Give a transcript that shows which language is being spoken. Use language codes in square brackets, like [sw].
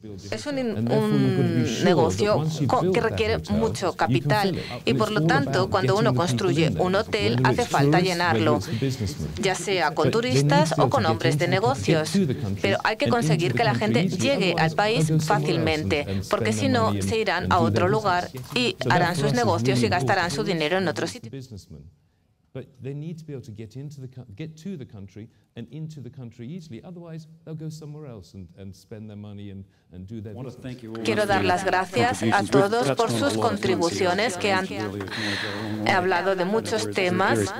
[es] Es un negocio que requiere mucho capital, y por lo tanto, cuando uno construye un hotel, hace falta llenarlo, ya sea con turistas o con hombres de negocios, pero hay que conseguir que la gente llegue al país país fácilmente, porque si no, se irán a otro lugar y harán sus negocios y gastarán su dinero en otro sitio. [en] But they need to be able to get to the country and into the country easily. Otherwise, they'll go somewhere else and spend their money and do their business. [es] Quiero dar las gracias a todos por sus contribuciones que han hablado de muchos temas.